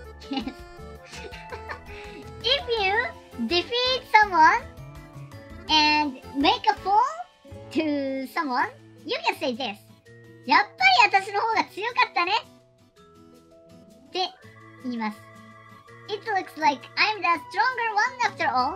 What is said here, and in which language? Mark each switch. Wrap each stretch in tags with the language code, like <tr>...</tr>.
<en>If you defeat someone and make a fool. To someone, you can say this.</en> <ja>やっぱり私の方が強かったねって言います。</ja> <en>It looks like I'm the stronger one after all.</en>